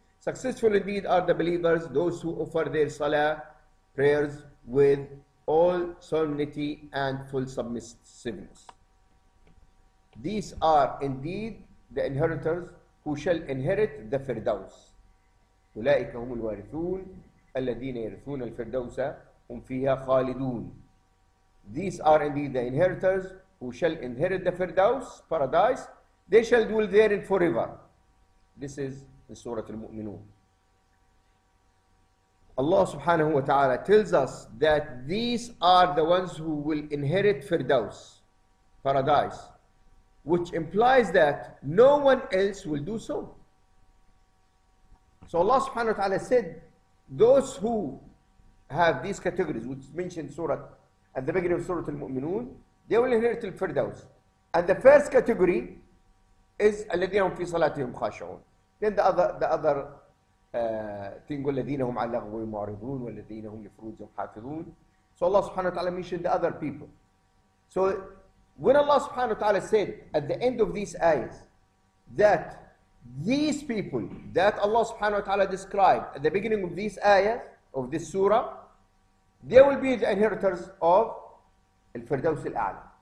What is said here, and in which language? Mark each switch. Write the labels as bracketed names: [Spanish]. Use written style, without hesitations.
[English] Successful indeed are the believers, those who offer their salah prayers with all solemnity and full submissiveness. These are indeed the inheritors who shall inherit the Firdaus. [Arabic] أولئك هم الوارثون الذين يرثون الفردوس هم فيها خالدون. [English] These are indeed the inheritors who shall inherit the Firdaus, paradise. They shall dwell therein forever. This is in Surah Al-Mu'minun. Allah subhanahu wa ta'ala tells us that these are the ones who will inherit Firdaus, paradise, which implies that no one else will do so. So Allah subhanahu wa ta'ala said, those who have these categories, which mentioned surah, at the beginning of Surah Al-Mu'minun, they will inherit the Firdaus. And the first category is [Arabic] الَّذِينَ هُمْ فِي صَلَاتِهِمْ خَاشِعُونَ. [English] Then the other thing, [Arabic] الَّذِينَ هُمْ عَلَى لَغْوِهِمْ مُعْرِضُونَ وَالَّذِينَ هُمْ لِفُرُوجِهِمْ حَافِظُونَ. [English] So Allah subhanahu wa ta'ala mentioned the other people. So when Allah subhanahu wa ta'ala said at the end of these ayahs that these people that Allah subhanahu wa ta'ala described at the beginning of these ayahs, of this surah, they will be the inheritors of الفردوس الأعلى.